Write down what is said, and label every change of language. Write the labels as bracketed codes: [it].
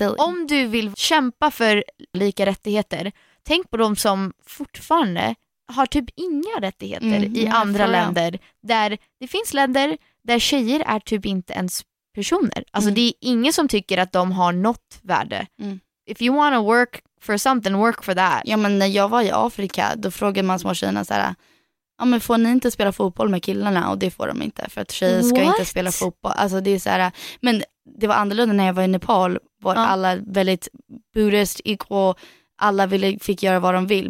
[sv] om du vill kämpa för lika rättigheter, tänk på dem som fortfarande har typ inga rättigheter i andra länder. Där det finns länder där tjejer är typ inte ens personer. Alltså det är ingen som tycker att de har något värde. Mm. [en] If you want to work for something, work for that. [sv] Ja, men när jag var i Afrika, då frågade man små tjejerna så här, ja, men får ni inte spela fotboll med killarna? Och det får de inte, för att tjejer ska inte spela fotboll. Alltså det är så här, men det var annorlunda när jag var i Nepal. Var alla väldigt Buddhist, equal, alla ville, fick göra vad de vill.